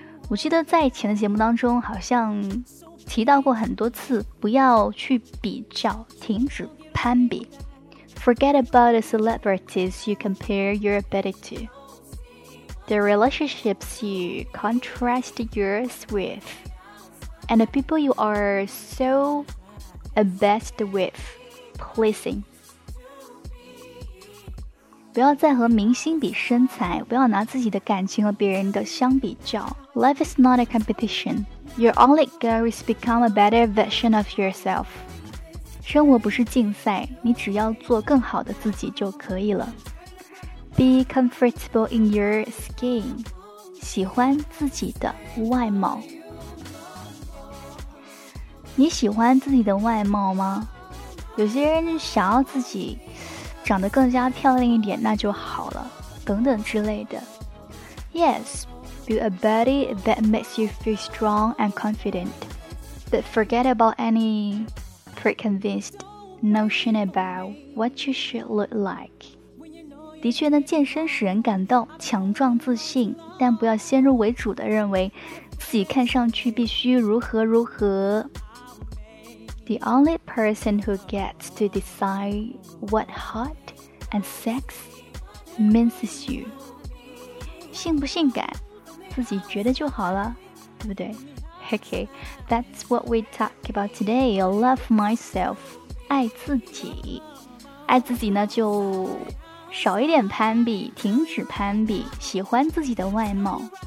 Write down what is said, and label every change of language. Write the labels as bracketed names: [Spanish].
[Chinese] 我记得在以前的节目当中好像提到过很多次，不要去比较，停止攀比。 [English] Forget about the celebrities you compare your ability to. The relationships you contrast yours with. And the people you are so obsessed with, pleasing. [Chinese] 不要再和明星比身材，不要拿自己的感情和别人的相比较。 [English] Life is not a competition. Your only goal is become a better version of yourself. [Chinese] 生活不是竞赛，你只要做更好的自己就可以了。 [English] Be comfortable in your skin. [Chinese] 喜欢自己的外貌。你喜欢自己的外貌吗？有些人想要自己长得更加漂亮一点，那就好了，等等之类的。 [English] Yes, build a body that makes you feel strong and confident, but forget about any preconceived notion about what you should look like. [Chinese] 的确呢，健身使人感到强壮自信，但不要先入为主的认为自己看上去必须如何如何。 [English] The only person who gets to decide what hot and sex means is you. [Chinese] 性不性感，自己觉得就好了，对不对？ [English] Okay, that's what we talk about today. Love myself. [Chinese] 爱自己。爱自己呢，就少一点攀比，停止攀比，喜欢自己的外貌。